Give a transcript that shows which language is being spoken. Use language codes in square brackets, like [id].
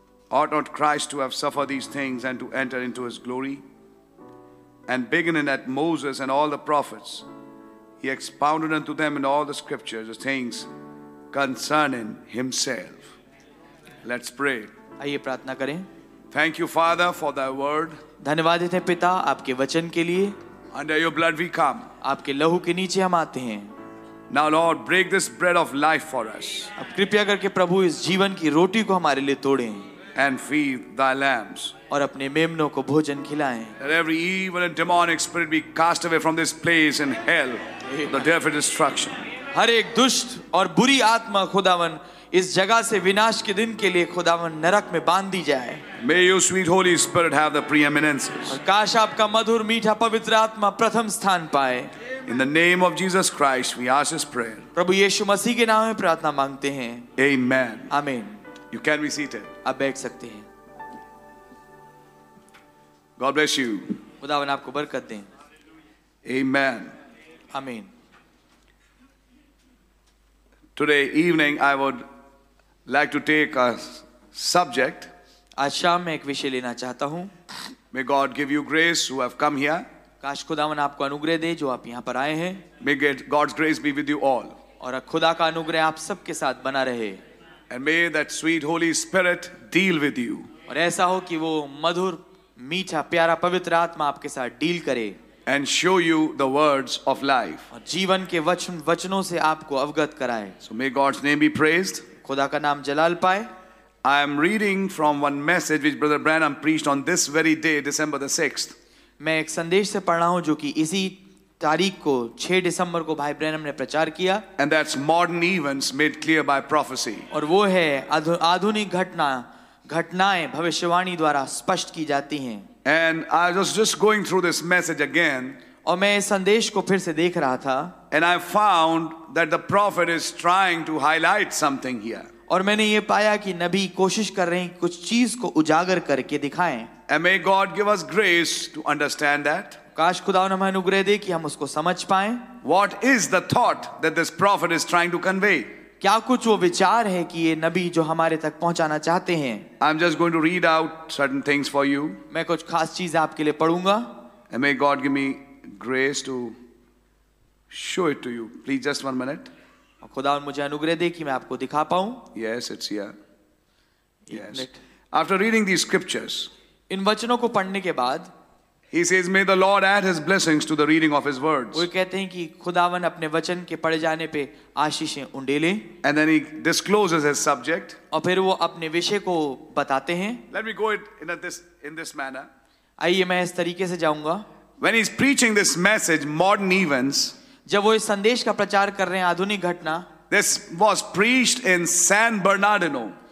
[en] Ought not Christ to have suffered these things and to enter into his glory? And beginning at Moses and all the prophets, he expounded unto them in all the scriptures the things concerning himself. Let's pray. [hi] आइए प्रार्थना करें. [en] Thank you, Father, for Thy word. [hi] धन्यवाद देते हैं पिता आपके वचन के लिए. [en] Under Your blood we come. [hi] आपके लहू के नीचे हम आते हैं. [en] Now, Lord, break this bread of life for us. [hi] अब कृपया करके प्रभु इस जीवन की रोटी को हमारे लिए तोड़ें. [en] And feed Thy lambs. [hi] और अपने मेमनों को भोजन खिलाएं. [en] Let every evil and demonic spirit be cast away from this place in hell, the death of destruction. [hi] हर एक दुष्ट और बुरी आत्मा खुदावन इस जगह से विनाश के दिन के लिए खुदावन नरक में बांध दी जाए. [en] May your sweet Holy Spirit have the preeminence. [hi] काश आपका मधुर मीठा पवित्र आत्मा प्रथम स्थान पाए. [en] In the name of Jesus Christ, we ask this prayer. [hi] प्रभु यीशु मसीह के नाम में प्रार्थना मांगते हैं. [en] Amen. Amen. You can be seated. [hi] आप बैठ सकते हैं. [en] God bless you. [hi] खुदावन आपको बरकत दें. [en] Amen. Amen. Today evening, I would like to take a subject. [hi] आज शाम मैं एक विषय लेना चाहता हूँ. [en] May God give you grace who have come here. [hi] काश खुदावन आपको अनुग्रह दे जो आप यहाँ पर आए हैं. [en] May God's grace be with you all. [hi] और खुदा का अनुग्रह आप सब के साथ बना रहे. [en] And may that sweet Holy Spirit deal with you. [hi] और ऐसा हो कि वो मधुर मीठा प्यारा पवित्र आत्मा आपके साथ डील करे. [en] and show you the words of life. [hi] और जीवन के वचनों से आपको अवगत कराएं. [en] So may God's name be praised. [hi] खुदा का नाम जलाल पाए. [en] I am reading from one message which Brother Branham preached on this very day, December the 6th. [hi] मैं एक संदेश से पढ़ रहा हूँ जो कि इसी तारीख को 6 दिसंबर को भाई ब्रैनम ने प्रचार किया. [en] And that's modern events made clear by prophecy. [hi] और वो है आधुनिक घटनाएं भविष्यवाणी द्वारा स्पष्ट की जाती हैं. [en] And I was just going through this message again. [hi] और मैं संदेश को फिर से देख रहा था. [en] And I found that the prophet is trying to highlight something here. [hi] और मैंने ये पाया कि नबी कोशिश कर रहे हैं कुछ चीज को उजागर करके दिखाएं. [en] And may God give us grace to understand that. [hi] काश खुदा हमें अनुग्रह दे कि हम उसको समझ पाएं. [en] What is the thought that this prophet is trying to convey? [hi] क्या कुछ वो विचार है कि ये नबी जो हमारे तक पहुंचाना चाहते हैं? [en] I'm just going to read out certain things for you. [hi] मैं कुछ खास चीजें आपके लिए पढूंगा. [en] And may God give me grace to show it to you. Please just 1 minute. [hi] खुदा मुझे अनुग्रह दे कि मैं आपको दिखा पाऊं. [en] Yes, it's here. Yes. After reading these scriptures, [hi] इन वचनों को पढ़ने के बाद, [en] he says, "May the Lord add His blessings to the reading of His words." [hi] वो कहते हैं कि खुदावन अपने वचन के पढ़ जाने पे आशीषें उंडेले. [en] And then he discloses his subject. [hi] और फिर वो अपने विषय को बताते हैं. [en] Let me go it in this manner. [hi] आइए मैं इस तरीके से जाऊंगा. [en] When he's preaching this message, modern events. [hi] जब वो इस संदेश का प्रचार कर रहे हैं आधुनिक घटना. [en] This was preached in San Bernardino.